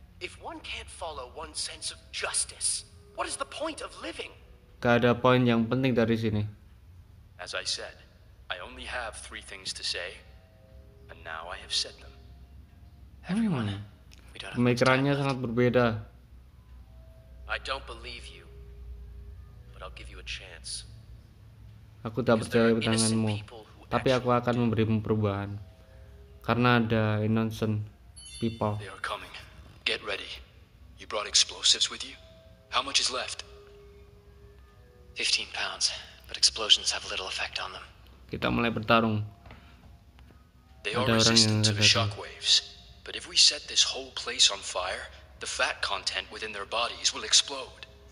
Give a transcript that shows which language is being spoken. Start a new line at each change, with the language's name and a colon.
English: If one can't follow one sense of justice, what is the point of living?
Indonesian: Gak ada poin yang penting dari sini.
English: As I said, I only have three things to say, and now I have said them.
Indonesian: Everyone, pemikirannya sangat berbeda.
English: I don't believe you. I'll give you a chance.
Indonesian: Aku tak percaya tanganmu, tapi aku akan memberimu perubahan. Karena ada
English: innocent people. They are coming. Get ready. You brought explosives with you? How much is left? 15 pounds, but explosions have little effect on them.
Indonesian: Kita mulai bertarung.
English: They are resistant to the shock waves, but if we set this whole place on fire, the fat content within their bodies will explode.